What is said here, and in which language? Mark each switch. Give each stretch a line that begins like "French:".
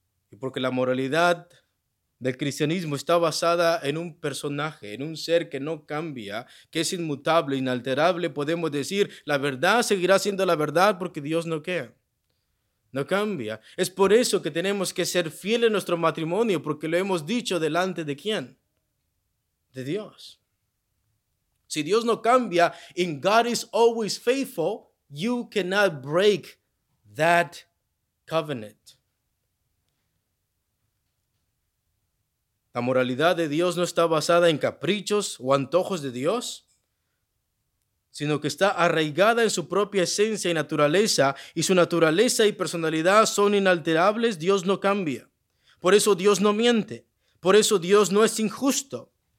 Spanish: Y porque la moralidad del cristianismo está basada en un personaje, en un ser que no cambia, que es inmutable, inalterable, podemos decir, la verdad seguirá siendo la verdad porque Dios no queda. No cambia. Es por eso que tenemos que ser fieles en nuestro matrimonio, porque lo hemos dicho delante de ¿quién? De Dios. Si Dios no cambia,
English: and God is always faithful, you cannot break that covenant.
Spanish: La moralidad de Dios no está basada en caprichos o antojos de Dios, sino que está arraigada en su propia esencia y naturaleza, y su naturaleza y personalidad son inalterables, Dios no cambia. Por eso Dios no miente, por eso Dios no es injusto.